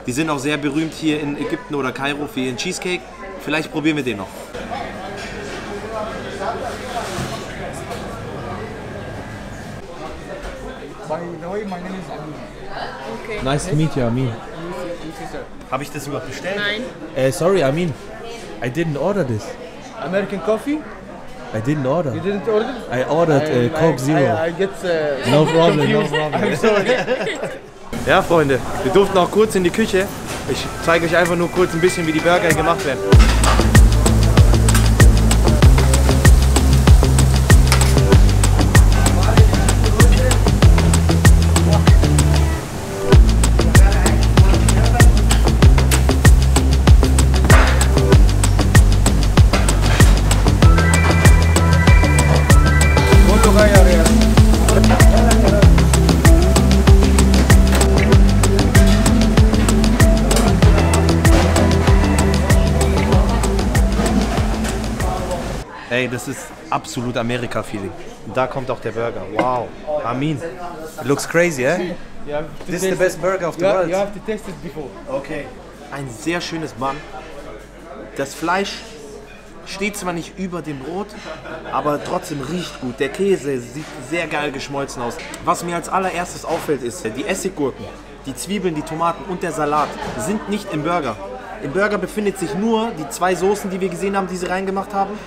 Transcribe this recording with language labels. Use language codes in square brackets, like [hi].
[de] Die sind auch sehr berühmt hier in Ägypten oder Kairo für ihren Cheesecake. Vielleicht probieren wir den noch. [en] Okay. Nice to meet you, Amin. [de] Habe ich das überhaupt bestellt? Nein. [en] Sorry, Amin. I didn't order this. American coffee? I didn't order. You didn't order? I ordered Coke Zero. I get, no problem, no problem. I'm sorry. [de] Ja, Freunde, wir durften auch kurz in die Küche. Ich zeige euch einfach nur kurz ein bisschen, wie die Burger gemacht werden. Ey, das ist absolut Amerika-Feeling. Und da kommt auch der Burger. [en] Wow. Amin. It looks crazy, eh? This is the best burger of the world. You have to taste it before. [de] Okay. Ein sehr schönes Bun. Das Fleisch steht zwar nicht über dem Brot, aber trotzdem riecht gut. Der Käse sieht sehr geil geschmolzen aus. Was mir als allererstes auffällt, ist, die Essiggurken, die Zwiebeln, die Tomaten und der Salat sind nicht im Burger. Im Burger befindet sich nur die zwei Soßen, die wir gesehen haben, die sie reingemacht haben.